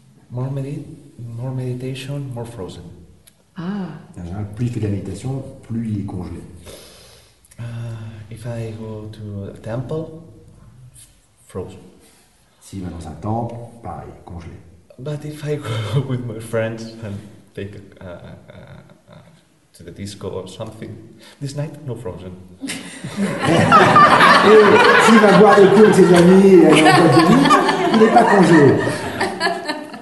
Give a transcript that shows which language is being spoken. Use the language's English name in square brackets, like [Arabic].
[English] More meditation, more frozen. Ah. [French] Plus il fait de la méditation, plus il est congelé. [English] If I go to a temple, frozen. [French] Si il va dans un temple, pareil, congelé. [English] But if I go with my friends and take to the disco or something, this night, no frozen. [French] Et s'il va boire avec tous ses amis et aller en boîte de nuit, il n'est pas congelé.